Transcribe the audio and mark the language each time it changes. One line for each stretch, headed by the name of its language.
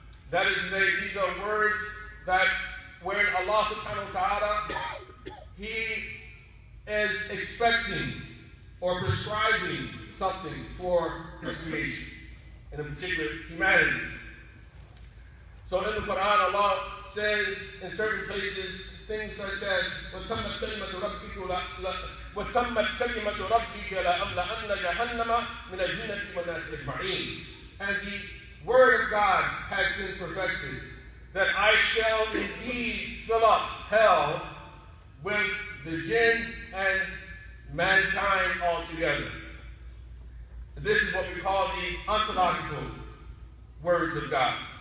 English: That is to say, these are words that where Allah subhanahu wa ta'ala, he is expecting or prescribing something for his creation, and in particular humanity. So in the Quran, Allah says in certain places, things such as
Arabic: وَتَمَّتْ كَلِمَةُ رَبِّكَ لَا وَتَمَّتْ كَلِمَةُ رَبِّكَ لَا أَمْلَأَنَّ جَهَنَّمَ مِنَ الْجِنَّةِ وَالنَّاسِ أَجْمَعِينَ.
English: And the word of God has been perfected, that I shall indeed fill up hell with the jinn and mankind altogether. This is what we call the ontological words of God.